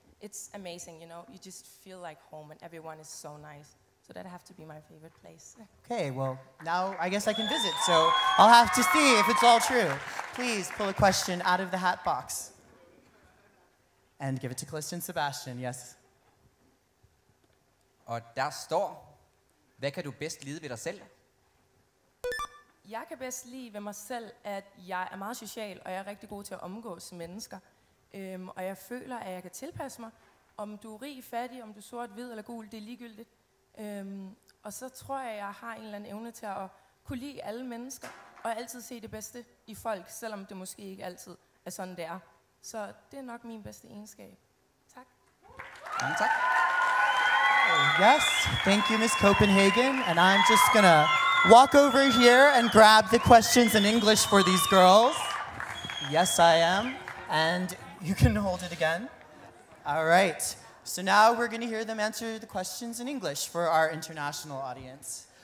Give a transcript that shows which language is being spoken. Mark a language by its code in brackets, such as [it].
[en] It's amazing, you know, you just feel like home and everyone is so nice. So that'd have to be my favorite place. Okay, well, now I guess I can visit, so I'll have to see if it's all true. Please pull a question out of the hat box and give it to Kristen Sebastian, yes. [da] Og der står, hvad kan du bedst lide ved dig selv? Jeg kan bedst lide ved mig selv, at jeg er meget social, og jeg er rigtig god til at omgås mennesker. Og jeg føler, at jeg kan tilpasse mig. Om du er rig, fattig, om du er sort, hvid eller gul, det er ligegyldigt. Og så tror jeg, at jeg har en eller anden evne til at kunne lide alle mennesker, og altid se det bedste i folk, selvom det måske ikke altid er sådan, det er. Så det er nok min bedste egenskab. Tak. Mange tak. [en] Yes, thank you, Miss Copenhagen, and I'm just gonna walk over here and grab the questions in English for these girls. Yes, I am, and you can hold it again. All right, so now we're gonna hear them answer the questions in English for our international audience.